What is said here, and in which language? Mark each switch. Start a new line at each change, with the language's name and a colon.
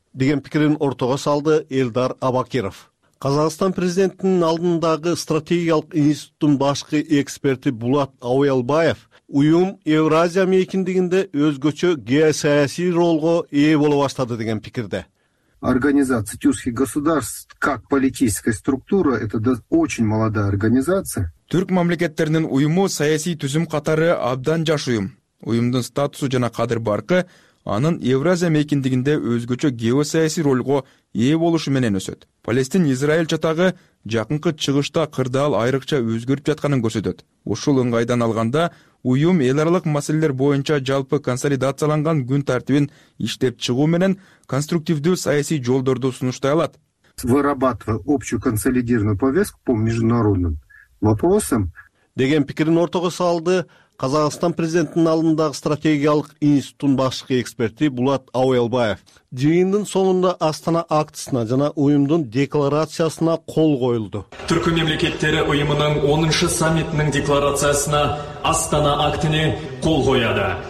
Kyrgyz: деген пикирин ортого салды Элдар Абакиров. Казакстан президентинин алдындагы стратегиялык институттун башкы эксперти Булат Ауялбаев уюм Евразия мейкиндигинде өзгөчө геосаясий ролго ээ боло баштады деген пикирде.
Russian: Организация Тюркских государств как политическая структура это очень молодая организация.
Kyrgyz: Түрк мамлекеттеринин уюму саясий түзүм катары абдан жаш уюм. Уюмдун статусу жана кадыр баркы анын Евразия мейкиндигинде өзгөчө геосаясий ролго ээ болушу менен өсөт. Палестин-Израиль чатагы жакынкы чыгышта кырдаал айрыкча өзгөрүп жатканын көрсөтөт. Ушул ыңгайдан алганда уюм эл аралык маселелер боюнча жалпы консолидацияланган күн тартибин иштеп чыгуу менен конструктивдүү саясий жолдорду сунуштай алат.
Russian: Вырабатывая общую консолидированную повестку по международным вопросам
Kyrgyz: деген пикирин ортого салды Казакстан президентинин алдындагы стратегиялык институттун башкы эксперти Булат Ауялбаев. Жыйындын соңунда Астана актысына жана уюмдун декларациясына кол коюлду. Түркү мамлекеттери уюмунун 10-шы саммитинин декларациясына Астана актыны кол коюлду.